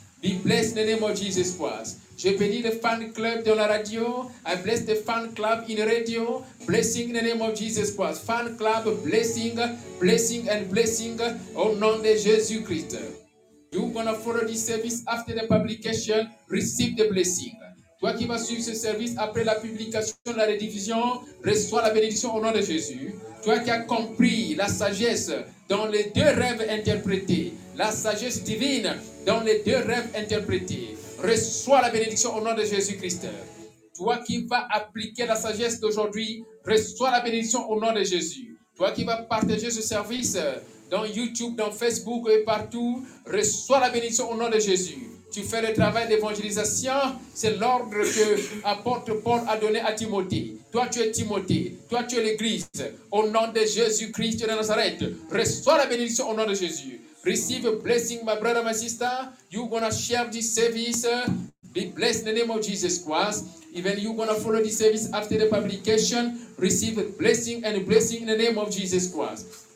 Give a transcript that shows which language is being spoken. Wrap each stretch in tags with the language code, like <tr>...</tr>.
<en>Be blessed in the name of Jesus Christ.</en> <fr>Je bénis le fan club dans la radio.</fr> <en>I bless the fan club in radio. Blessing in the name of Jesus Christ. Fan club blessing, blessing and blessing</en> <fr>au nom de Jésus Christ.</fr> <en>You gonna follow this service after the publication. Receive the blessing.</en> <fr>Toi qui vas suivre ce service après la publication de la rédiffusion, reçois la bénédiction au nom de Jésus. Toi qui as compris la sagesse dans les deux rêves interprétés, la sagesse divine dans les deux rêves interprétés, reçois la bénédiction au nom de Jésus-Christ. Toi qui vas appliquer la sagesse d'aujourd'hui, reçois la bénédiction au nom de Jésus. Toi qui vas partager ce service dans YouTube, dans Facebook et partout, reçois la bénédiction au nom de Jésus. Tu fais le travail d'évangélisation, c'est l'ordre que l'apôtre Paul a donné à Timothée. Toi, tu es Timothée. Toi, tu es l'Église. Au nom de Jésus-Christ de Nazareth, reçois la bénédiction au nom de Jésus.</fr> <en>Receive a blessing, my brother, my sister. You're going to share this service. Be blessed in the name of Jesus Christ. Even you're going to follow this service after the publication. Receive a blessing and a blessing in the name of Jesus Christ.</en>